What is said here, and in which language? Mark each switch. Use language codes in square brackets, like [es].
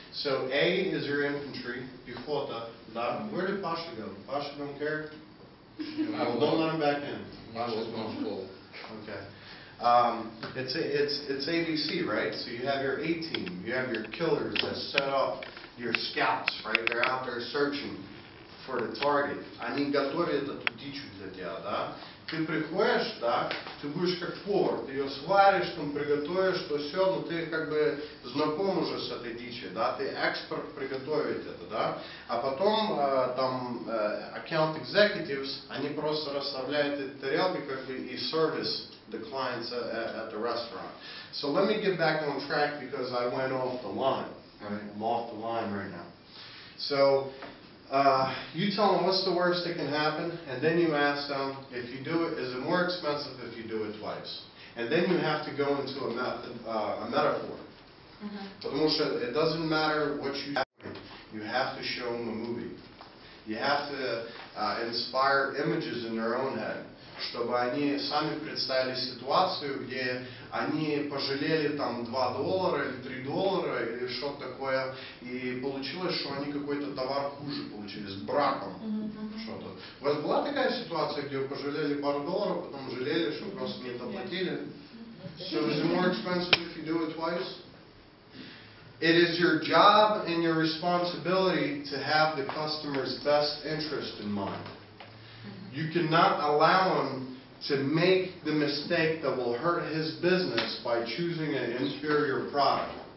[en] So A is your infantry, piechota. Where did Pasha go? Pasha don't care? Don't let him back in. Pasha's going full. Okay. It's ABC, right? So you have your A team. You have your killers that set up your scouts, right? They're out there searching for the target. [ru] Они готовят эту дичь для тебя, да? Ты приходишь, да, ты будешь как повар, ты ее сваришь, там приготовишь, то все, но ты как бы знаком уже с этой дичью, да, ты эксперт приготовить это, да. А потом account executives, они просто расставляют эти тарелки как бы и сервис [en] the clients at the restaurant. So let me get back on track because I went off the line. Right. I'm off the line right now. So you tell them what's the worst that can happen, and then you ask them, if you do it, is it more expensive if you do it twice? And then you have to go into a metaphor. Mm-hmm. It doesn't matter what you have, you have to show them a movie. You have to inspire images in their own head. [ru] Чтобы они сами представили ситуацию, где они пожалели там $2 или $3 или что-то такое, и получилось, что они какой-то товар хуже получили, с браком что-то. У вас была такая ситуация, где вы пожалели пару долларов, потом жалели, что просто не доплатили? [en] So is it more expensive if you do it twice? It is your job and your responsibility to have the customer's best interest in mind. You cannot allow him to make the mistake that will hurt his business by choosing an inferior product.